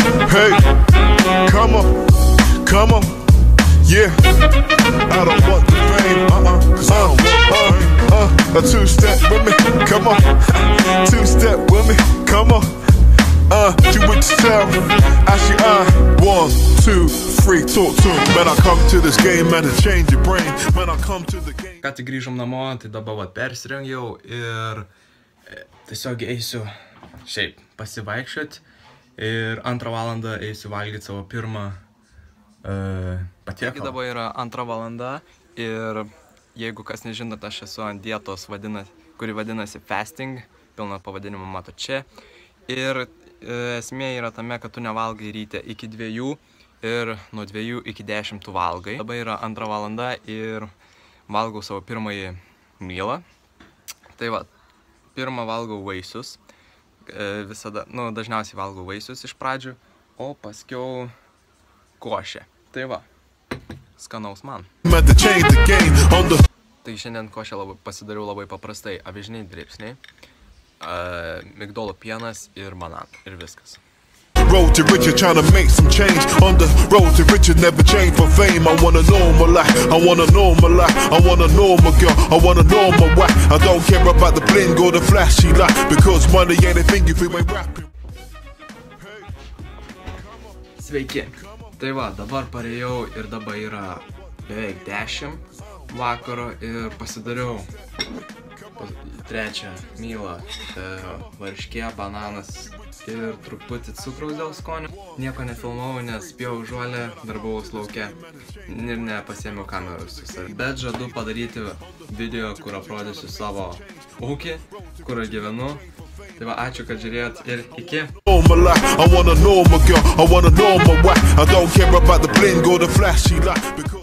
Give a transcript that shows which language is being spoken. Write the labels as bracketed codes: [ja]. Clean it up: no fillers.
[en] Hey, come on, come on, yeah, I don't want the fame, cause I don't want a two-step with me, come on, two-step with me, come on, do it yourself, actually I, one, two, three, talk to him, when I come to this game, man, it change your brain, when I come to the game. [lt] Ką tik grįžom namo, tai dabar vat persirengiau ir tiesiog eisiu, šiaip, pasivaikščiot. Ir antrą valandą eisiu valgyti savo pirmą patiekalą. Taigi dabar yra antrą valandą ir jeigu kas nežinot, aš esu ant dietos, kuri vadinasi fasting, pilno pavadinimo mato čia. Ir esmė yra tame, kad tu nevalgai ryte iki 2 ir nuo 2 iki 10 tu valgai. Dabar yra antrą valandą ir valgau savo pirmąjį mylą. Tai va, pirmą valgau vaisius. Visada, nu, dažniausiai valgau vaisius iš pradžių, o paskiau košę. Tai va, skanaus man. Tai šiandien košę labai, pasidariau labai paprastai. Avižiniai dribsniai, migdolų pienas ir bananai. Ir viskas. [en] road to riches, trying to make some change. On the road to riches, never change for fame. I want a normal life, I want a normal life. I want a normal girl, I want a normal wife. I don't care about the bling or the flashy life, because money ain't a thing if it ain't rapping. [lt] Sveiki. Tai va, dabar parėjau ir dabar yra beveik 10 vakaro ir pasidariau trečią mylą varškė, bananas ir truputį cukraus dėl skonio. Nieko nefilmavau, nes spėjau žuolę, dar buvau slaukę ir nepasėmiau kameros su savimi. Bet žadu padaryti video, kur aprodysiu savo ūkį, kur gyvenu. Tai va, ačiū, kad žiūrėjot ir iki. [en] I want a normal girl, I want a normal wife. I don't care about the bling or the flashy life.